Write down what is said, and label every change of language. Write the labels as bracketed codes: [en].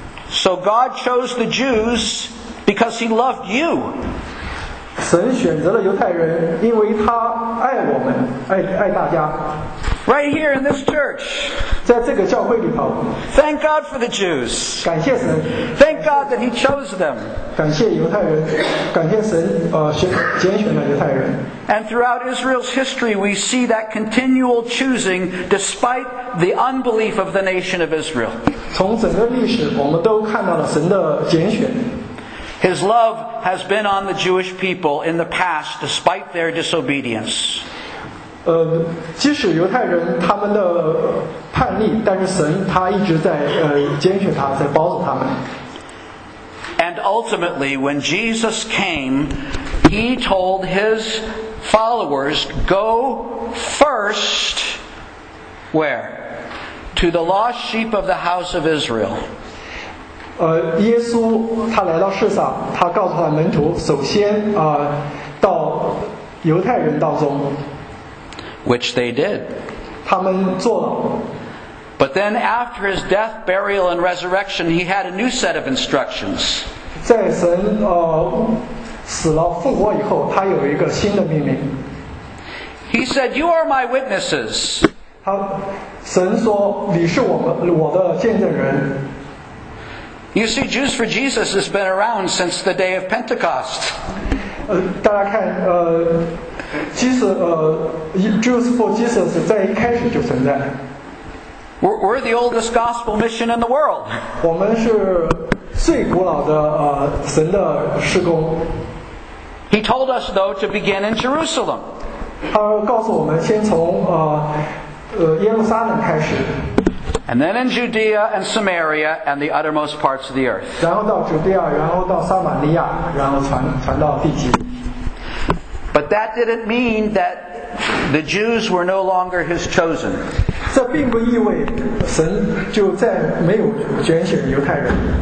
[en] So God chose the Jews because He loved you. [zh] 神选择了犹太人，因为他爱我们，爱大家。 [en] Right here in this church. [zh] 在这个教会里头。 [en] Thank God for the Jews. [zh] 感谢神。 [en] Thank God that He chose them. [zh] 感谢犹太人。感谢神拣选了犹太人。 [en] And throughout Israel's history, we see that continual choosing despite the unbelief of the nation of Israel. [zh] 从整个历史，我们都看到了神的拣选。 [en] His love has been on the Jewish people in the past despite their disobedience. [zh] 即使犹太人他们的叛逆，但是神他一直在拣选他，在保守他们。 [en] And ultimately, when Jesus came, he told his followers, go first, where? To the lost sheep of the house of Israel. [zh] 耶稣他来到世上，他告诉他门徒，首先到犹太人当中。 [en] Which they did. [zh] 他们做了。 [en] But then after his death, burial, and resurrection, he had a new set of instructions. [zh] 在神死了复活以后，他有一个新的命令。 [en] He said, "You are my witnesses." [zh] 他神说，你是我的见证人。 [en] You see, Jews for Jesus has been around since the day of Pentecost. [zh] 大家看，Jews for Jesus 在一开始就存在。 [en] We're the oldest gospel mission in the world. [zh] 我们是最古老的神的事工。 [en] He told us, though, to begin in Jerusalem. [zh] 他告诉我们先从耶路撒冷开始。 [en] And then in Judea and Samaria and the uttermost parts of the earth. [zh] 然后到 Judea, 然后到 Samaria, 然后 传到地极。 [en] But that didn't mean that the Jews were no longer his chosen. [zh] 这并不意味神就再没有拣选犹太人。